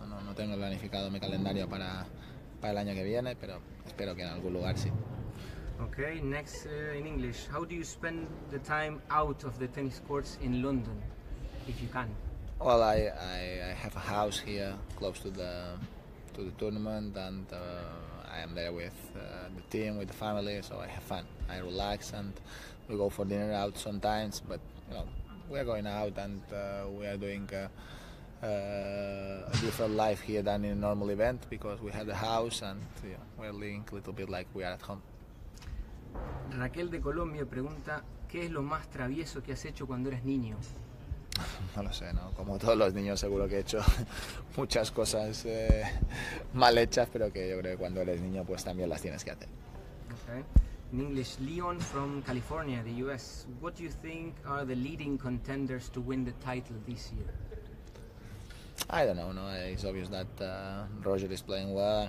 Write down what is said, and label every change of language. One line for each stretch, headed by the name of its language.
Spanish: no tengo planificado mi calendario para el año que viene, pero espero que en algún lugar sí.
English: Okay, next in English. How do you spend the time out of the tennis courts in London, if you can? Well, I have a house here close to the tournament, and I am there with the team, with the family, so I have fun. I relax and we go for dinner out sometimes, but you know, we are going out and we are doing a different life here than in a normal event, because we have the house and yeah, we are living a little bit like we are at home.
Spanish: Raquel de Colombia pregunta, ¿qué es lo más travieso que has hecho cuando eras niño? No lo sé, ¿no? Como todos los niños seguro que he hecho muchas cosas mal hechas, pero que yo creo que cuando eres niño pues también las tienes que hacer.
English: Okay. In English, Leon from California, the US. What do you think are the leading contenders to win the title this year? I don't know. No, it's obvious that Roger is playing well.